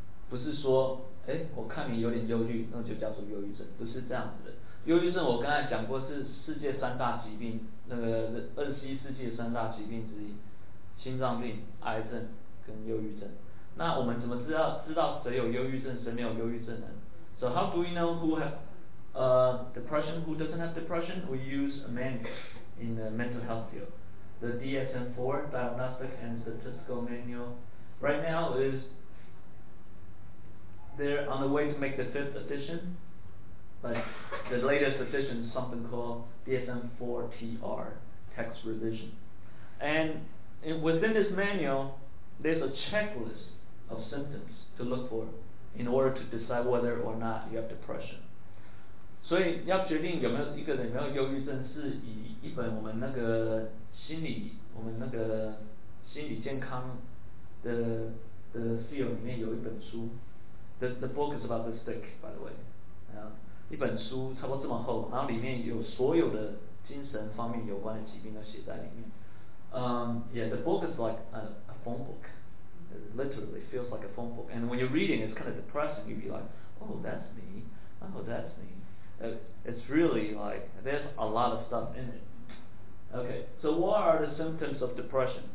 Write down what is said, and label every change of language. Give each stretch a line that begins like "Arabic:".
Chinese: 不是说哎，我看你有点忧郁，那就叫做忧郁症，不是这样子的。忧郁症我刚才讲过是世界三大疾病，那个21世纪的三大疾病之一，心脏病、癌症跟忧郁症。那我们怎么知道谁有忧郁症，谁没有忧郁症呢？
English: So how do we know who have depression, who doesn't have depression? We use a manual in the mental health field, the DSM-4 Diagnostic and Statistical Manual. Right now is they're on the way to make the 5th edition, but the latest edition is something called DSM-4TR, Text Revision. And within this manual, there's a checklist of symptoms to look for in order to decide whether or not you have depression.
Chinese: 所以要决定有没有一个人有没有忧郁症，是以一本我们那个心理健康的 field 里面有一本书。
English: The book is about this thick, by the way.
Chinese: 一本书差不多这么厚，然后里面有所有的精神方面有关的疾病都写在里面。
English: Yeah, the book is like a phone book. It literally feels like a phone book. And when you're reading, it's kind of depressing. You'd be like, oh, that's me. Oh, that's me. It's really like, there's a lot of stuff in it. Okay, so what are the symptoms of depression?